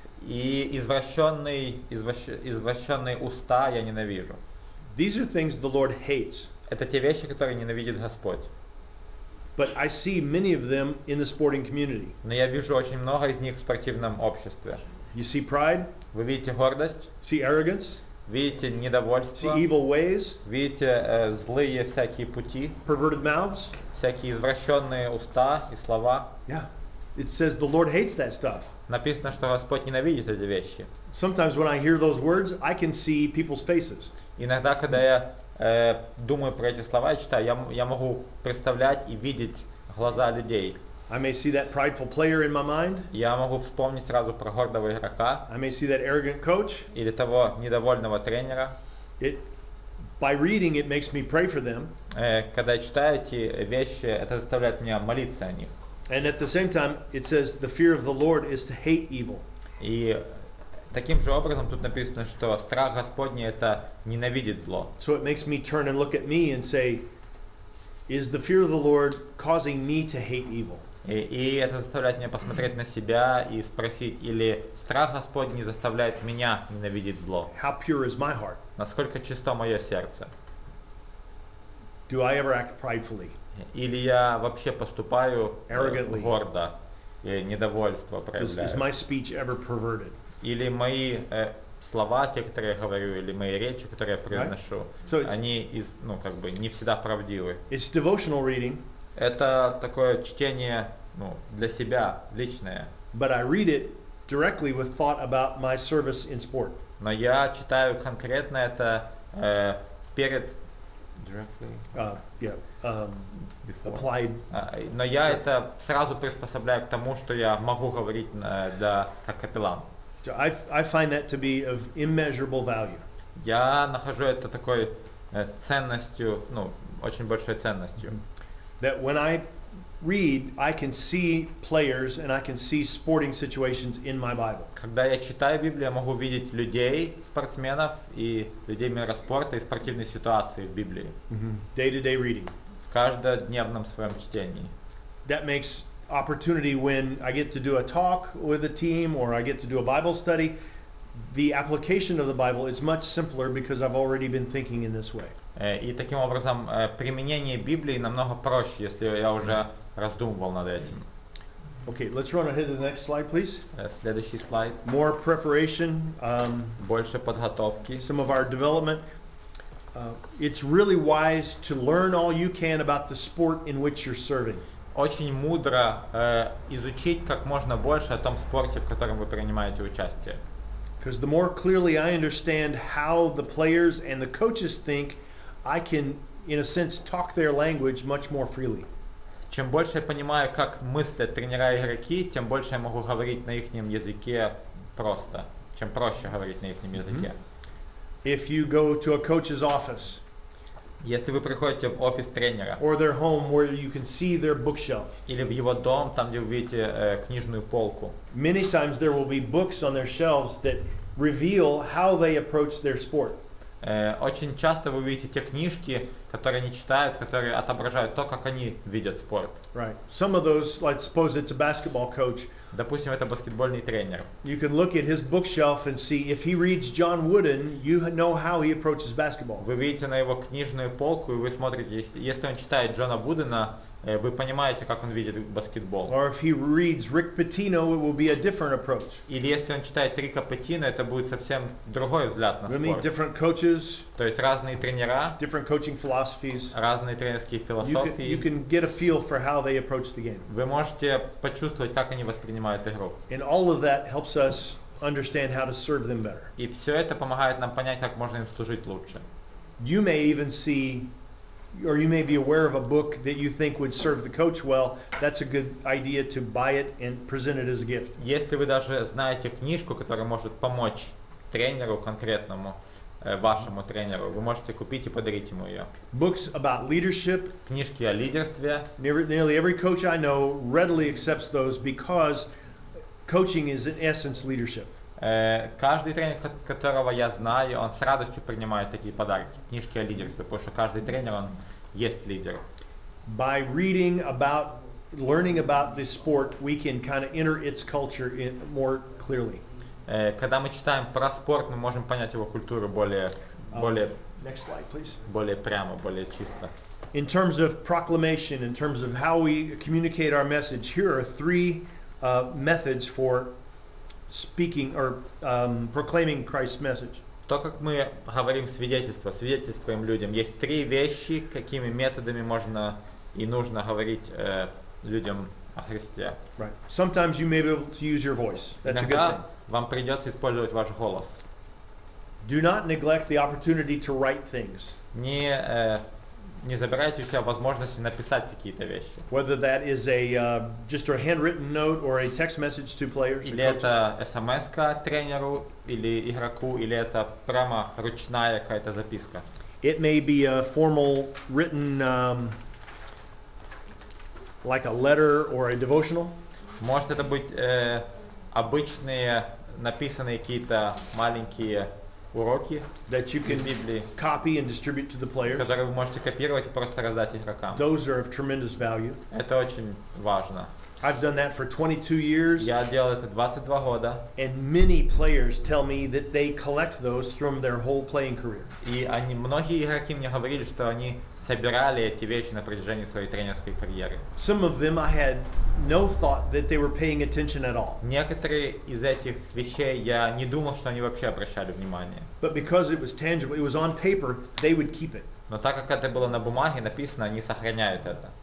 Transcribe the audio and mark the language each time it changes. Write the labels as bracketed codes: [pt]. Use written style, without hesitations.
[ru] И извращенные уста я ненавижу. [en] These are things the Lord hates. [ru] Это те вещи, которые ненавидит Господь. [en] But I see many of them in the sporting community. [ru] Но я вижу очень много из них в спортивном обществе. [en] You see pride? [ru] Вы видите гордость? [en] See arrogance? [ru] Видите недовольство? [en] See evil ways? [ru] Видите злые всякие пути? [en] Perverted mouths? [ru] Всякие извращенные уста и слова? [en] Yeah. It says the Lord hates that stuff. [ru] Написано, что Господь ненавидит эти вещи. [en] Sometimes when I hear those words, I can see people's faces. [ru] Иногда, когда я думаю про эти слова и читаю, я могу представлять и видеть глаза людей. [en] I may see that prideful player in my mind. [ru] Я могу вспомнить сразу про гордого игрока. [en] I may see that arrogant coach. [ru] Или того недовольного тренера. [en] It, by reading, it makes me pray for them. [ru] Когда я читаю эти вещи, это заставляет меня молиться о них. [en] And at the same time, it says the fear of the Lord is to hate evil. [ru] И таким же образом тут написано, что страх Господний – это ненавидеть зло. [en] So it makes me turn and look at me and say, is the fear of the Lord causing me to hate evil? [ru] И это заставляет меня посмотреть на себя и спросить, или страх Господний заставляет меня ненавидеть зло? [en] How pure is my heart? [ru] Насколько чисто мое сердце? [en] Do I ever act pridefully? [ru] Или я вообще поступаю [en] arrogantly? [ru] Гордо и недовольство проявляю? [en] Is my speech ever perverted? [ru] Или мои слова, те, которые я говорю, или мои речи, которые я произношу, [en] right? So [ru] они не всегда правдивы. [en] It's devotional reading. [ru] Это такое чтение, ну, для себя, личное. [en] But I read it directly with thought about my service in sport. [ru] Но я читаю конкретно это перед... [en] Directly? Applied. [ru] Но я это сразу приспособляю к тому, что я могу говорить как капеллан. [en] So I find that to be of immeasurable value. [ru] Я нахожу это такой ценностью, очень большой ценностью. [en] That when I read, I can see players and I can see sporting situations in my Bible. [ru] Когда я читаю Библию, я могу видеть людей, спортсменов и людей мира спорта и спортивные ситуации в Библии. [en] Mm-hmm. Day-to-day reading. [ru] В каждодневном своем чтении. [en] That makes opportunity when I get to do a talk with a team or I get to do a Bible study, the application of the Bible is much simpler because I've already been thinking in this way. [ru] И таким образом применение Библии намного проще, если я уже раздумывал над этим. [en] Okay, let's run ahead to the next slide, please. [ru] Следующий слайд. [en] More preparation. [ru] Больше подготовки. [en] Some of our development. It's really wise to learn all you can about the sport in which you're serving. [ru] Очень мудро изучить как можно больше о том спорте, в котором вы принимаете участие. [en] Because the more clearly I understand how the players and the coaches think, I can, in a sense, talk their language much more freely. [ru] Чем больше я понимаю, как мыслят тренера и игроки, тем больше я могу говорить на ихнем языке просто. Чем проще говорить на ихнем языке. [en] If you go to a coach's office, [ru] если вы приходите в офис тренера, [en] or their home where you can see their bookshelf, [ru] или в его дом, там где вы видите книжную полку, [en] many times there will be books on their shelves that reveal how they approach their sport. [ru] Очень часто вы видите те книжки, которые они читают, которые отображают то, как они видят спорт. [en] Right. Some of those, like, suppose it's a basketball coach. [ru] Допустим, это баскетбольный тренер. [en] You can look at his bookshelf and see if he reads John Wooden, you know how he approaches basketball. [ru] Вы видите на его книжную полку, и вы смотрите, если он читает Джона Вудена, вы понимаете, как он видит баскетбол. [en] Or if he reads Rick Pitino, it will be a different approach. [ru] Или если он читает Рика Пэтино, это будет совсем другой взгляд на спорт. [en] We meet different coaches. [ru] То есть разные тренера. [en] Different coaching philosophies. [ru] Разные тренерские философии. [en] You can get a feel for how they approach the game. [ru] Вы можете почувствовать, как они воспринимают игру. [en] And all of that helps us understand how to serve them better. [ru] И все это помогает нам понять, как можно им служить лучше. [en] You may even see, or you may be aware of a book that you think would serve the coach well, that's a good idea to buy it and present it as a gift. [ru] Если вы даже знаете книжку, которая может помочь тренеру конкретному, вашему тренеру, вы можете купить и подарить ему ее. [en] Books about leadership. [ru] Книжки о лидерстве. [en] Nearly every coach I know readily accepts those because coaching is in essence leadership. [ru] Каждый тренер, которого я знаю, он с радостью принимает такие подарки, книжки о лидерстве, потому что каждый тренер, он есть лидер. [en] By reading about, learning about this sport, we can kind of enter its culture in more clearly. [ru] Когда мы читаем про спорт, мы можем понять его культуру более, более, [en] next slide, please. [ru] Более прямо, более чисто. [en] In terms of proclamation, in terms of how we communicate our message, here are three methods for speaking or proclaiming Christ's message. [ru] То, как мы говорим свидетельство, свидетельствуем людям, есть три вещи, какими методами можно и нужно говорить людям о Христе. [en] Right. Sometimes you may be able to use your voice. That's [ru] иногда [en] a good thing. [ru] Вам придется использовать ваш голос. [en] Do not neglect the opportunity to write things. [ru] Не забирайте у себя возможности написать какие-то вещи. [en] Whether that is a just a handwritten note or a text message to players. [ru] Или это SMS-ка тренеру или игроку, или это прямо ручная какая-то записка. [en] It may be a formal written like a letter or a devotional. [ru] Может это быть обычные написанные какие-то маленькие уроки, [en] that you can [ru] Библии, [en] copy and distribute to the players. [ru] Которые вы можете копировать и просто раздать игрокам. [en] Those are of tremendous value. [ru] Это очень важно. [en] I've done that for 22 years. [ru] Я делал это 22 года. [en] And many players tell me that they collect those from their whole playing career. [ru] И они, многие игроки мне говорили, что они собирали эти вещи на протяжении своей тренерской карьеры. [en] Some of them I had no thought that they were paying attention at all. [ru] Некоторые из этих вещей я не думал, что они вообще обращали внимание. [en] But because it was tangible, it was on paper, they would keep it. [ru] Но так как это было на бумаге написано, они сохраняют это.